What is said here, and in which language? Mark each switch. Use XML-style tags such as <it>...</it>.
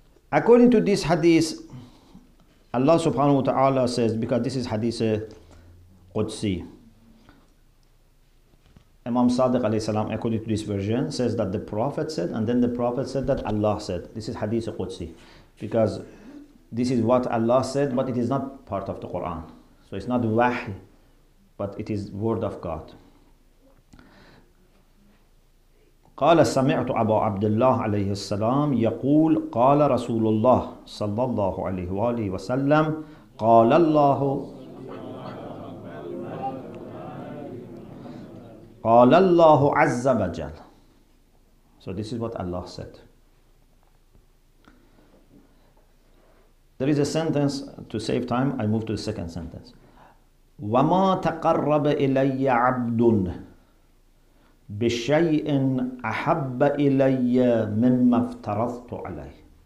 <en>According to this hadith, Allah subhanahu wa ta'ala says, because this is hadith Qudsi, Imam Sadiq alayhi salam, according to this version, says that the Prophet said, and then the Prophet said that Allah said. This is hadith Qudsi, because this is what Allah said, but it is not part of the Quran. So it's not wahy, but it is word of God.</en> <ar>قال سمعت أبا عبد الله عليه السلام يقول قال رسول الله صلى الله عليه وآله وسلم قال الله قال الله عز وجل.</ar> <en>So this is what Allah said. There is a sentence. To save time, I move to the second sentence.</en> <ar>وما تقرب إلي عبد بِشَيْءٍ أَحَبَّ إِلَيَّ مِمَّا افْتَرَضْتُ عَلَيْهِ.</ar>